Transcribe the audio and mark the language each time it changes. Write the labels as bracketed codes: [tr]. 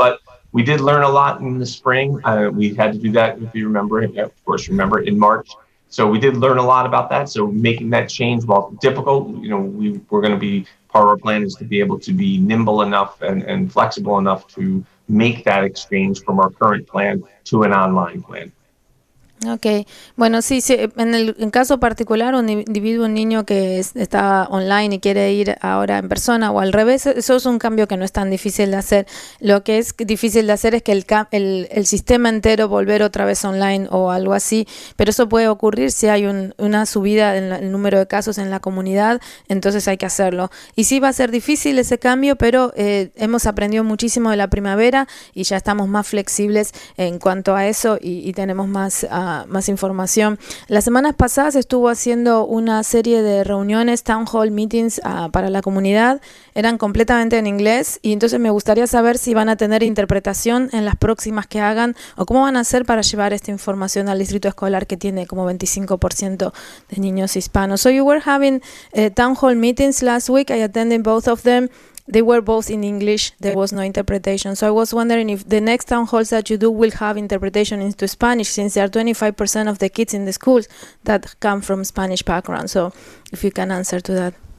[en] But we did learn a lot in the spring. We had to do that, if you remember, of course, remember in March. So we did learn a lot about that. So making that change, while difficult, you know, we're going to be, part of our plan is to be able to be nimble enough and flexible enough to make that exchange from our current plan to an online plan. Okay. [es] Bueno, sí, en caso particular, un individuo, un niño que está online y quiere ir ahora en persona o al revés, eso es un cambio que no es tan difícil de hacer. Lo que es difícil de hacer es que el sistema entero volver otra vez online o algo así, pero eso puede ocurrir si hay una subida en el número de casos en la comunidad, entonces hay que hacerlo. Y sí va a ser difícil ese cambio, pero hemos aprendido muchísimo de la primavera y ya estamos más flexibles en cuanto a eso y tenemos más más información. Las semanas pasadas estuvo haciendo una serie de reuniones, [en] town hall meetings [es] para la comunidad. Eran completamente en inglés y entonces me gustaría saber si van a tener interpretación en las próximas que hagan o cómo van a hacer para llevar esta información al distrito escolar que tiene como 25% de niños hispanos. [en] So you were having town hall meetings last week. I attended both of them. They were both in English. There was no interpretation. So I was wondering if the next town halls that you do will have interpretation into Spanish, since there are 25% of the kids in the schools that come from Spanish background. So if you can answer to that.